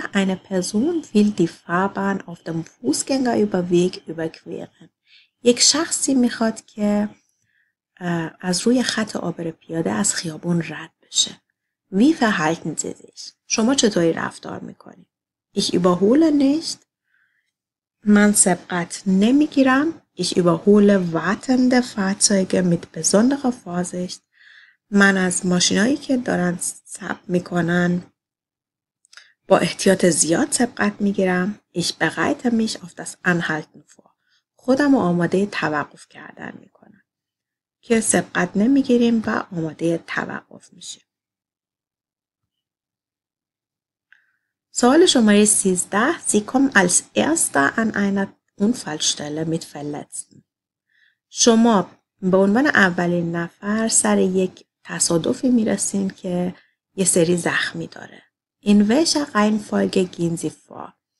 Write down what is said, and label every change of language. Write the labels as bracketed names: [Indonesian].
[German] Eine Person will die Fahrbahn auf dem Fußgängerüberweg überqueren. [Persian] یک شخصی میخواد که از روی خط عابر پیاده از خیابون رد بشه. [German] Wie verhalten Sie sich? [Persian] شما چطوری رفتار میکنید؟ [German] Ich überhole nicht. [Persian] من سبقت نمیگیرم. [German] Ich überhole wartende Fahrzeuge mit besonderer Vorsicht. [Persian] من از ماشینایی که دارن سب میکنن با احتیاط زیاد سبقت میگیرم. [German] Ich bereite mich auf das Anhalten vor. [Persian] خودم رو آماده توقف کردن میکنم. که سبقت نمیگیریم و آماده توقف میشیم. سوال شماره 13. [German] Sie kommen als erster an einer Unfallstelle mit Verletzten. [Persian] شما به عنوان اولین نفر سر یک تصادفی میرسین که یه سری زخمی داره. [German] In welcher Reihenfolge gehen Sie vor?